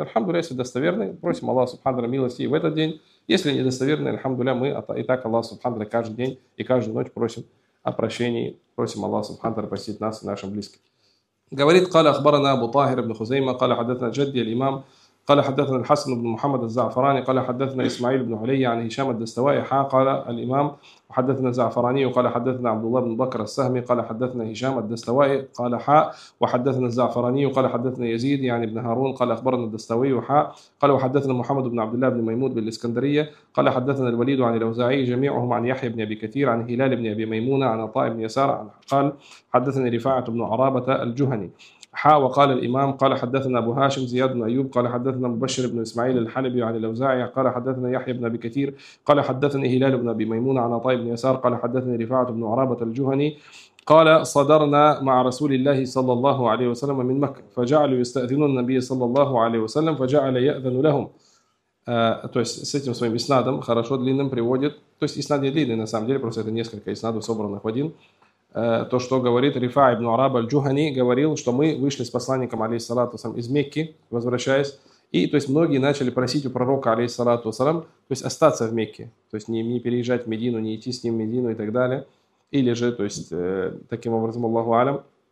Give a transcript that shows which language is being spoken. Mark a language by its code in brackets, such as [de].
[ru] Альхамдуля, если достоверный, просим Аллах субханаху милости и в этот день. Если недостоверный, альхамдуля, мы и так Аллах субханаху каждый день и каждую ночь просим о прощении, просим Аллах субханаху простить нас и нашим близким. Говорит, [ar] «Каля ахбарана Абу Тахир ибн Хузейма, каля хадатна джадди аль-имам». قال حدثنا الحسن بن محمد الزعفراني قال حدثنا إسماعيل بن علي عن هشام الدستوائي حا قال الإمام وحدثنا الزعفراني وقال حدثنا عبد الله بن بكر السهمي قال حدثنا هشام الدستوائي قال حا وحدثنا الزعفراني وقال حدثنا يزيد يعني ابن هارون قال أخبرنا الدستوائي وحا قال وحدثنا محمد بن عبد الله بن ميمون بالإسكندرية قال حدثنا الوليد عن الأوزاعي جميعهم عن يحيى بن أبي كثير عن هلال بن أبي ميمونة عن عطاء بن يسار عن قال حدثنا رفاعة بن عرابة الجهني حا وقال الإمام قال حدثنا أبو هاشم زياد بن أيوب قال حدثنا مبشر بن إسماعيل الحلبي عن الأوزاعي قال حدثنا يحيى بن أبي كثير قال حدثني هلال بن أبي ميمون عن عطاء بن يسار قال حدثني رفاعة بن عرابة الجهني قال صدرنا مع رسول الله صلى الله عليه وسلم من مكة فجعلوا يستأذنون النبي صلى الله عليه وسلم فجعل يأذن لهم. [ru] То есть с этим своим иснадом хорошо длинным приводит, то есть иснад не длинный на самом деле, просто это несколько иснадов собранных в один. То, что говорит Рифа ибн Араб аль-Джухани, говорил, что мы вышли с посланником, алейхиссалату вассалам, из Мекки, возвращаясь, и то есть многие начали просить у пророка, алейхиссалату вассалам, то есть остаться в Мекке, то есть не переезжать в Медину, не идти с ним в Медину и так далее, или же, то есть таким образом, Аллаху алям.